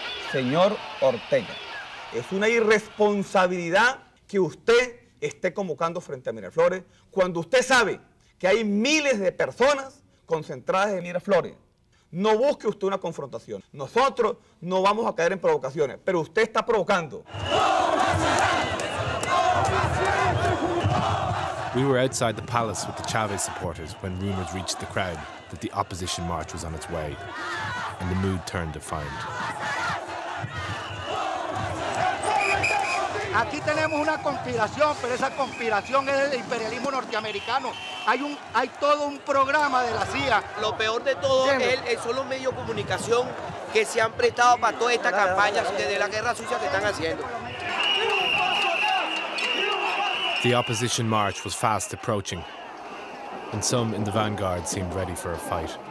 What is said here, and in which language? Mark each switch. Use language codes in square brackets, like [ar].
[es] Señor Ortega, es una irresponsabilidad que usted esté convocando frente a Miraflores cuando usted sabe que hay miles de personas concentradas en Miraflores. No busque usted una confrontación. Nosotros no vamos a caer en provocaciones, pero usted está provocando. [en] We were outside the palace with the Chavez supporters when rumors reached the crowd that the opposition march was on its way, and the mood turned defiant. [es] Aquí tenemos una conspiración, pero esa conspiración es del imperialismo norteamericano. Hay todo un programa de la CIA. Lo peor de todo son los medios de comunicación que se han prestado para toda esta campaña de la guerra sucia que están haciendo. [en] The opposition march was fast approaching, and some in the vanguard seemed ready for a fight.